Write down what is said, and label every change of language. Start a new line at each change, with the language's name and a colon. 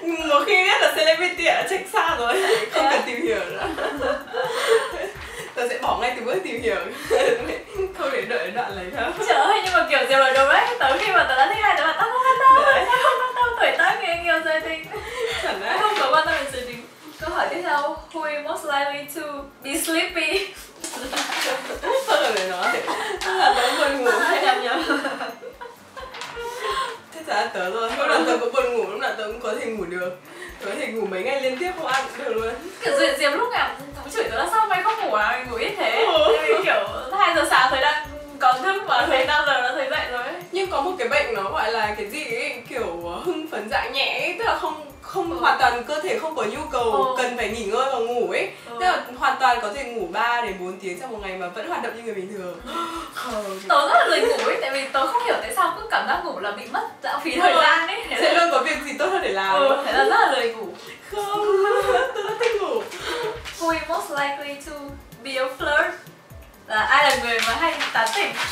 Vietnamese: Một khi biết là celebrity ở trách xa rồi. Không cần tìm hiểu nữa. Tao sẽ bỏ ngay từ bước tìm hiểu. Không để đợi đoạn lấy thôi. Trời ơi, nhưng mà kiểu Diệp là đúng đấy. Tớ khi mà tớ đã thích ai, tớ bảo tao không quan tâm. Tao không quan tâm tuổi tác nghe nhiều giới tính. Chẳng không có quan tâm đến giới tính. Câu hỏi tiếp theo,
English: who is most likely to be sleepy?
Vietnamese: Sao lại nói? Tức là tớ buồn ngủ hay nhầm nhầm? Thế chả là tớ rồi, lúc nào tớ có buồn ngủ, lúc nào tớ cũng có thể ngủ được. Tớ có thể ngủ mấy ngày liên tiếp không ăn cũng được luôn. Kiểu Diệp Diệp lúc nào cũng chửi tớ là sao mày không ngủ à, mày ngủ ít thế. Thì kiểu 2 giờ sáng tớ đang còn thức và thấy 5 giờ đã thấy dậy rồi. Nhưng có một cái bệnh nó gọi là cái gì ấy, kiểu hưng phấn dạ nhẹ ấy, tức là không hoàn toàn cơ thể không có nhu cầu cần phải nghỉ ngơi và ngủ ấy. Tức là hoàn toàn có thể ngủ 3 đến 4 tiếng trong một ngày mà vẫn hoạt động như người bình thường. Tớ rất là lười ngủ ấy, tại vì tớ không hiểu tại sao cứ cảm giác ngủ là bị mất lãng phí thời gian ấy. Sẽ luôn có việc gì tốt hơn để làm. Thế là rất là lười ngủ. Không, tớ rất thích ngủ.
English: Who is most likely to be a flirt?
Vietnamese: Là ai là người mà hay tán tỉnh?